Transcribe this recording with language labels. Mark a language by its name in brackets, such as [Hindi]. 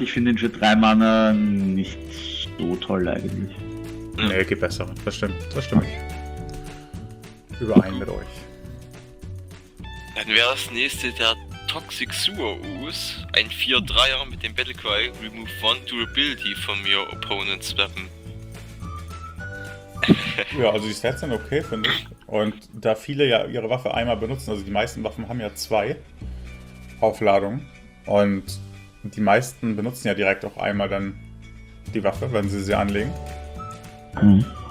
[German] Ich finde ihn für 3 Mana nicht so toll eigentlich. Ja. Nee, geht besser. Das stimmt. Das stimme ich. Überein mit euch. Dann wäre das nächste der Toxic Suo-Us. Ein 4-3er mit dem Battlecry. [English] Remove 1 Durability from your opponent's weapon. [German] Ja, also die Stats sind okay, finde ich. Und da viele ja ihre Waffe einmal benutzen, also die meisten Waffen haben ja 2 Aufladungen. Und die meisten benutzen ja direkt auch einmal dann die Waffe, wenn sie sie anlegen. Mhm.